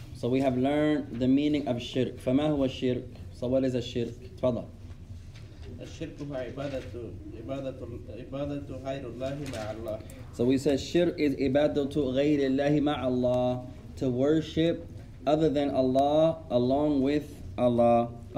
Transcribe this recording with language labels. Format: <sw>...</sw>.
<en>So we have learned the meaning of الشرك.</en> <ar>فما هو الشرك؟</ar> <en>So what is</en> <ar>الشرك؟ تفضل. الشرك هو عبادة غير الله مع الله.</ar> <en>So we say</en> <ar>الشرك is عبادة غير الله مع الله.</ar> <en>To worship other than Allah along with Allah.</en>